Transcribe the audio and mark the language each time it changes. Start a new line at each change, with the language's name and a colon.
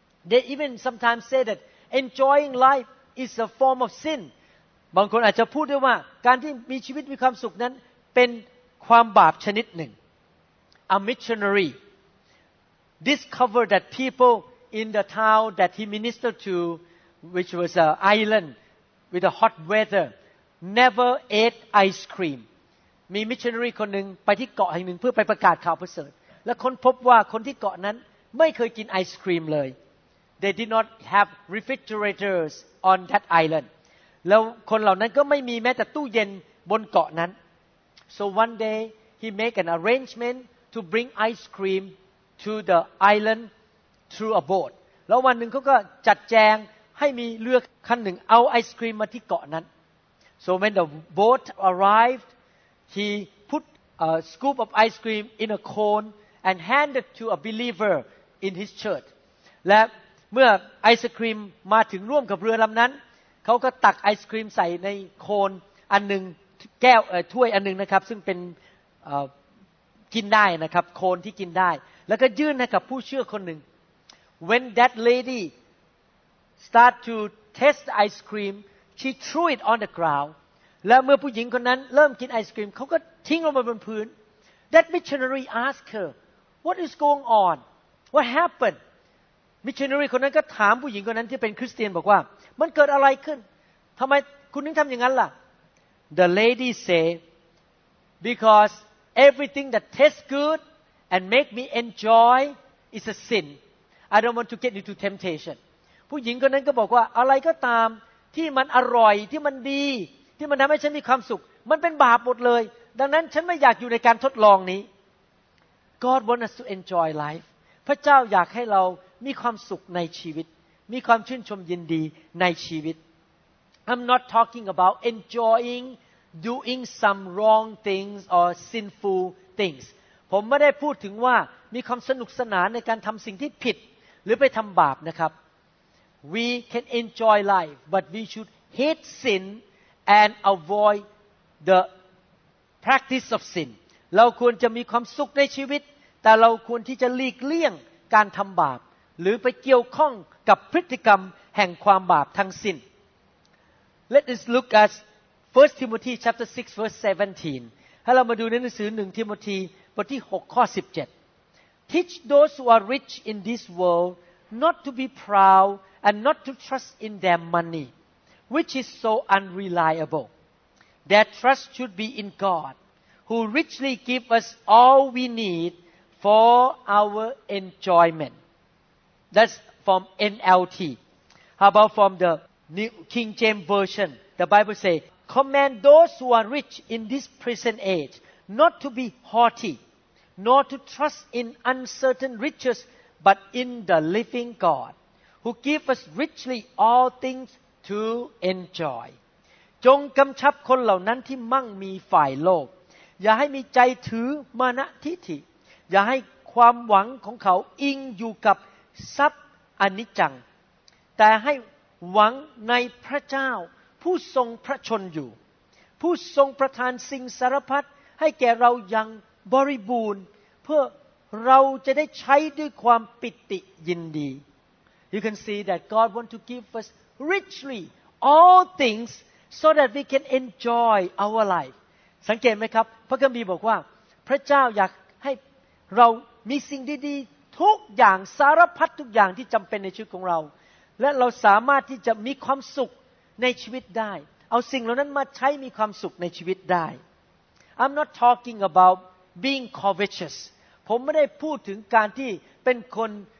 English: They even sometimes say that enjoying life is a form of sin
Thai: บางคนอาจจะพูดได้ว่าการที่มีชีวิตมีความสุขนั้นเป็นความบาปชนิดหนึ่ง
English: A missionary discovered that people in the town that he ministered to which was an island with a hot weather never ate ice creamm
Thai: มิชชันนารีคนหนึ่งไปที่เกาะแห่งหนึ่งเพื่อไปประกาศข่าวประเสริฐและค้นพบว่าคนที่เกาะนั้นไม่เคยกินไอศกรีมเลย
English: They did not have refrigerators on that island
Thai: แล้วคนเหล่านั้นก็ไม่มีแม้แต่ตู้เย็นบนเกาะนั้น
English: So one day he made an arrangement to bring ice cream to the island through a boat
Thai: แล้ววันหนึ่งเขาก็จัดแจงให้มีเรือคันหนึ่งเอาไอศกรีมมาที่เกาะนั้น
English: So when the boat arrivedHe put a scoop of ice cream in a cone and handed to a believer in his church.
Thai: และเมื่อไอศกรีมมาถึงร่วมกับเรือลำนั้นเขาก็ตักไอศกรีมใส่ในโคนอันหนึ่งแก้วถ้วยอันหนึ่งนะครับซึ่งเป็นกินได้นะครับโคนที่กินได้แล้วก็ยื่นให้กับผู้เชื่อคนหนึ่ง
English: When that lady start to test the ice cream, she threw it on the ground.
Thai: และเมื่อผู้หญิงคนนั้นเริ่มกินไอศกรีมเขาก็ทิ้งลงมาบนพื้น
English: That missionary asked her What is going on? What happened?
Thai: Missionary คนนั้นก็ถามผู้หญิงคนนั้นที่เป็นคริสเตียนบอกว่ามันเกิดอะไรขึ้นทำไมคุณถึงทำอย่างนั้นล่ะ
English: The lady said Because everything that tastes good and make me enjoy is a sin I don't want to get into temptation
Thai: ผู้หญิงคนนั้นก็บอกว่าอะไรก็ตามที่มันอร่อยที่มันดีที่มันทำให้ฉันมีความสุขมันเป็นบาปหมดเลยดังนั้นฉันไม่อยากอยู่ในการทดลองนี้
English: God wants us to enjoy life
Thai: พระเจ้าอยากให้เรามีความสุขในชีวิตมีความชื่นชมยินดีในชีวิต
English: I'm not talking about enjoying doing some wrong things or sinful things
Thai: ผมไม่ได้พูดถึงว่ามีความสนุกสนานในการทำสิ่งที่ผิดหรือไปทำบาปนะครับ
English: We can enjoy life but we should hate sinAnd avoid the practice of sin.
Thai: เราควรจะมีความสุขในชีวิตแต่เราควรที่จะหลีกเลี่ยงการทำบาปหรือไปเกี่ยวข้องกับพฤติกรรมแห่งความบาปทั้งสิ้น
English: Let us look at 1 Timothy chapter 6 verse 17.
Thai: ให้เรามาดูในหนังสือ1 Timothy บทที่6ข้อ17.
English: Teach those who are rich in this world not to be proud and not to trust in their money. Which is so unreliable. Their trust should be in God, who richly give us all we need for our enjoyment. That's from NLT. How about from the New King James Version? The Bible says, Command those who are rich in this present age not to be haughty, nor to trust in uncertain riches, but in the living God, who give us richly all thingsto enjoy
Thai: จงกำชับคนเหล่านั้นที่มั่งมีฝ่ายโลกอย่าให้มีใจถือมานะทิฐิอย่าให้ความหวังของเขาอิงอยู่กับทรัพย์อนิจจังแต่ให้หวังในพระเจ้าผู้ทรงพระชนอยู่ผู้ทรงประทานสิ่งสารพัดให้แก่เราอย่างบริบูรณ์เพื่อเราจะได้ใช้ด้วยความปิติยินดี
English: You can see that God want to give us richly all things so that we can enjoy our life.
Thai: สังเกตไหมครับพระคัมภีร์บอกว่าพระเจ้าอยากให้เรามีสิ่งดีๆทุกอย่างสารพัดทุกอย่างที่จำเป็นในชีวิตของเราและเราสามารถที่จะมีความสุขในชีวิตได้เอาสิ่งเหล่านั้นมาใช้มีความสุขในชีวิตได้
English: I'm not talking about being covetous
Thai: ผมไม่ได้พูดถึงการที่เป็นคน